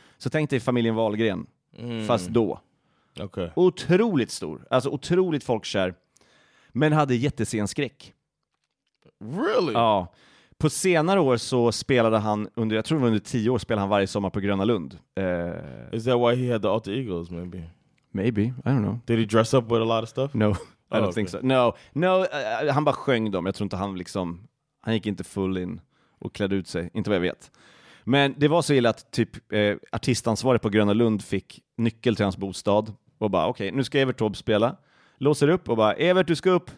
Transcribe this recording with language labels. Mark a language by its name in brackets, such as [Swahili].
[Swedish] Så tänk dig familjen Wahlgren, fast då. [English] Okay. [Swedish] Otroligt stor. Alltså otroligt folkkär. Men hade jättescenskräck. [English] Really? [Swedish] Ja. På senare år så spelade han, jag tror det var under 10 år, spelade han varje sommar på Gröna Lund. [English] Is that why he had the alter egos, maybe? Maybe, I don't know. Did he dress up with a lot of stuff? No, I don't think so. No, no, [Swedish] han bara sjöng dem. Jag tror inte han liksom, han gick inte full in och klädde ut sig. Inte vad jag vet. Men det var så illa att typ artistansvarig på Gröna Lund fick nyckel till hans bostad. Och bara, okej, nu ska Evert Taube spela. Låser upp och bara, Evert, du ska upp.